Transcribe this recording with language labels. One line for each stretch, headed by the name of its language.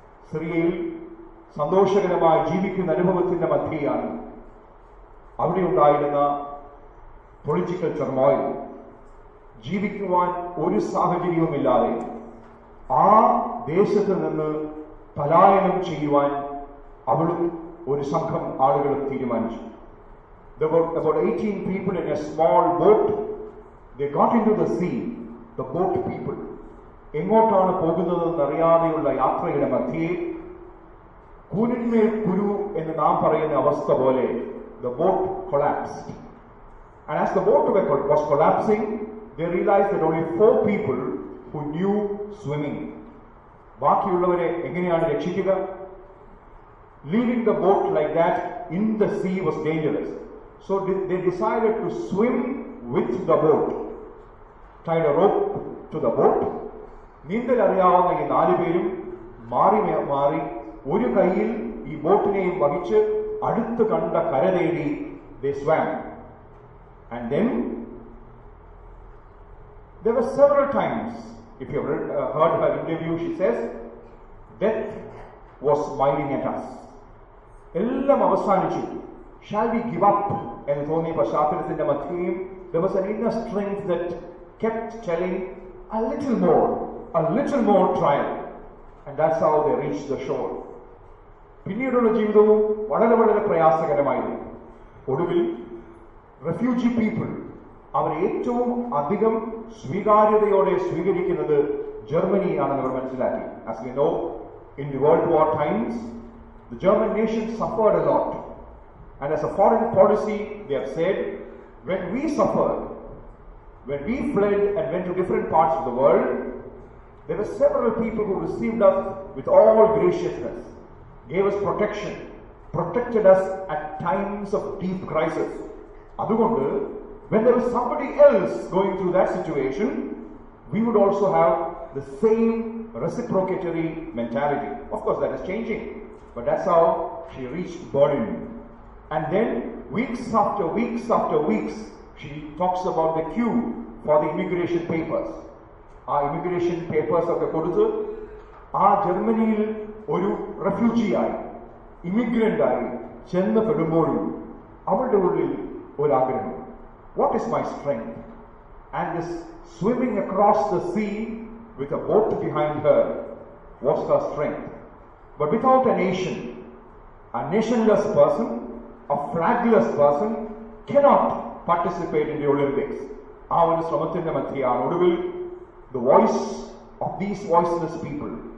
Malayalam: സിറിയയിൽ സന്തോഷകരമായി ജീവിക്കുന്ന അനുഭവത്തിന്റെ മധ്യയാണ് അവിടെ ഉണ്ടായിരുന്ന
English: Political turmoil.
Malayalam: ജീവിക്കുവാൻ ഒരു സാഹചര്യവുമില്ലാതെ ആ ദേശത്ത് നിന്ന് പലായനം ചെയ്യുവാൻ അവളും ഒരു സംഘം ആളുകളും തീരുമാനിച്ചു.
English: There were about 18 people in a small boat. They got into the sea, the boat people.
Malayalam: എങ്ങോട്ടാണ് പോകുന്നതെന്ന് അറിയാതെയുള്ള യാത്രയുടെ മധ്യേ കൂനിന്മേൽ കുരു എന്ന് നാം പറയുന്ന അവസ്ഥ പോലെ
English: the boat collapsed. And as the boat was collapsing, they realized that only 4 people who knew swimming.
Malayalam: ബാക്കിയുള്ളവരെ എങ്ങനെയാണ് രക്ഷിക്കുക?
English: Leaving the boat like that in the sea was dangerous. So they decided to swim with the boat. Tied a rope to the boat.
Malayalam: നീന്തൽ അറിയാവുന്ന ഈ നാല് പേരും മാറി മാറി ഒരു കയ്യിൽ ഈ ബോട്ടിനെയും വഹിച്ച് അടുത്ത് കണ്ട കര തേടി
English: they swam. And then there were several times, if you have heard her interview, she says, death was smiling at us.
Malayalam: എല്ലാം അവസാനിച്ചു.
English: Shall we give up?
Malayalam: എന്ന് തോന്നിയ പശ്ചാത്തലത്തിന്റെ മധ്യയും
English: there was an inner strength that kept telling a little more trial. And that's how they reached the shore.
Malayalam: പിന്നീടുള്ള ജീവിതവും വളരെ വളരെ പ്രയാസകരമായിരുന്നു. ഒടുവിൽ refugee people അവരെ ഏറ്റവും അധികം സ്വീകാര്യതയോടെ സ്വീകരിക്കുന്നത് ജർമ്മനിയാണെന്ന് അവർ മനസ്സിലാക്കി.
English: As we know, in the World War times, the German nation suffered a lot. And as a foreign policy, they have said, when we suffered, when we fled and went to different parts of the world, there were several people who received us with all graciousness, gave us protection, protected us at times of deep crisis. അതുകൊണ്ട് when there was somebody else going through that situation, we would also have the same reciprocatory mentality. Of course, that is changing. But that's how she reached Berlin. And then, weeks after weeks, she talks about the queue for the immigration papers.
Malayalam: ആ immigration papers ഒക്കെ കൊടുത്ത് ആ ജർമ്മനിയിൽ ഒരു റെഫ്യൂജിയായി ഇമിഗ്രന്റായി ചെന്നപ്പെടുമ്പോഴും അവളുടെ ഉള്ളിൽ ഒരാഗ്രഹം
English: what is my strength and this swimming across the sea with a boat behind her was her strength but without a nation a nationless person a flagless person cannot participate in the Olympics
Malayalam: ആ ഒരു ശ്രമത്തിന്റെ മധ്യയാണ് ഒടുവിൽ
English: the voice of these voiceless people